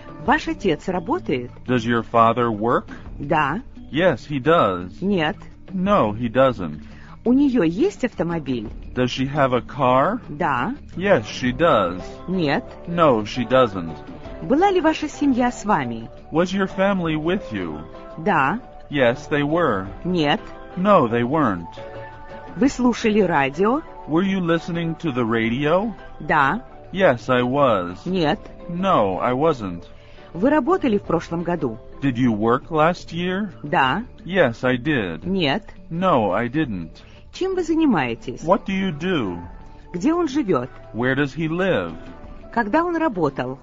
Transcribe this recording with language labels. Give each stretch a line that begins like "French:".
Russian: Ваш отец работает?
English: Does your father work?
Russian: Да.
English: Yes, he does.
Russian: Нет.
English: No, he doesn't.
Russian: У нее есть автомобиль?
English: Does she have a car?
Russian: Да.
English: Yes, she does.
Russian: Нет.
English: No, she doesn't.
Russian: Была ли ваша семья с вами?
English: Was your family with you?
Russian: Да.
English: Yes, they were.
Russian: Нет.
English: No, they weren't.
Russian: Вы слушали радио?
English: Were you listening to the radio?
Russian: Да.
English: Yes, I was.
Russian: Нет.
English: No, I wasn't.
Russian: Вы работали в прошлом году?
English: Did you work last year?
Russian: Да.
English: Yes, I did.
Russian: Нет.
English: No, I didn't.
Russian: Чем вы занимаетесь?
English: What do you do?
Russian: Где он живет?
English: Where does he live?
Russian: Когда он работал?